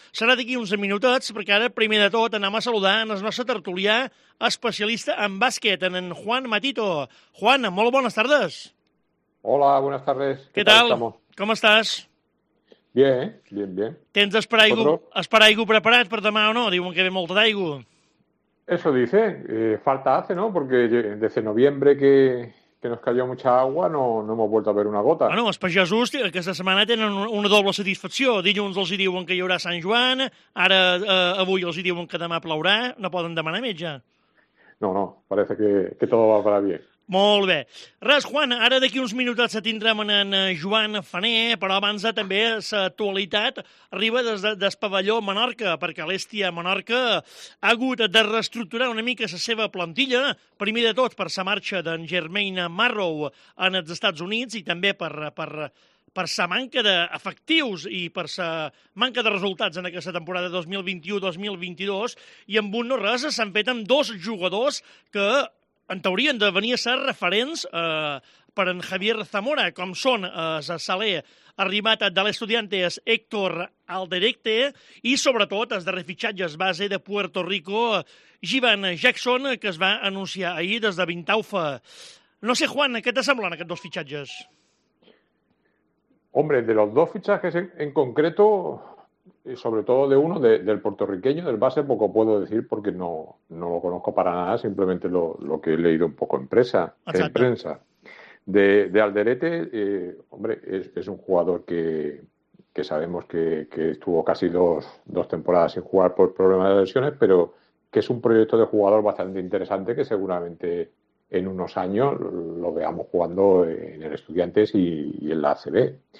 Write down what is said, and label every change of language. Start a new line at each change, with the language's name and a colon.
Catalan: Serà d'aquí uns minutets, perquè ara, primer de tot, anem a saludar en el nostre tertulià especialista en bàsquet, en Juan Matito. Juan, molt bones tardes.
Spanish: Hola, buenas tardes.
Catalan: Què tal? Com estàs?
Spanish: Bien, bien, bien.
Catalan: Tens esparaigua preparat per demà o no? Diuen que ve molta d'aigua.
Spanish: Eso dice. Falta hace, ¿no? Porque desde noviembre que nos cayó mucha agua no hemos vuelto a ver una gota.
Catalan: Bueno, els pagesos aquesta setmana tenen una doble satisfacció. Dilluns els diuen que hi haurà Sant Joan, ara avui els diuen que demà plourà. No poden demanar metge.
Spanish: No, parece que todo va para bien.
Catalan: Molt bé. Res, Juan, ara d'aquí uns minutets tindrem en Joan Fané, però abans també l'actualitat arriba des del pavelló Menorca, perquè l'Estia Menorca ha hagut de reestructurar una mica la seva plantilla, primer de tot per la marxa d'en Germaine Marrow en els Estats Units i també per la manca d'efectius i per la manca de resultats en aquesta temporada 2021-2022, i amb un no res s'han fet amb 2 jugadors que en teoria han de venir a ser referents per en Javier Zamora, com són Saler, arribat de l'Estudiantes Héctor Alderete, i sobretot els darrers fitxatges base de Puerto Rico, Jivan Jackson, que es va anunciar ahir des de Vintaufa. No sé, Juan, què t'assemblen aquests 2 fitxatges?
Spanish: Hombre, de los 2 fichajes en concreto, sobre todo de uno, del puertorriqueño, del base, poco puedo decir porque no lo conozco para nada, simplemente lo que he leído un poco en prensa. De Alderete, hombre, es un jugador que sabemos que estuvo casi dos temporadas sin jugar por problemas de lesiones, pero que es un proyecto de jugador bastante interesante que seguramente en unos años lo veamos jugando en el Estudiantes y en la ACB.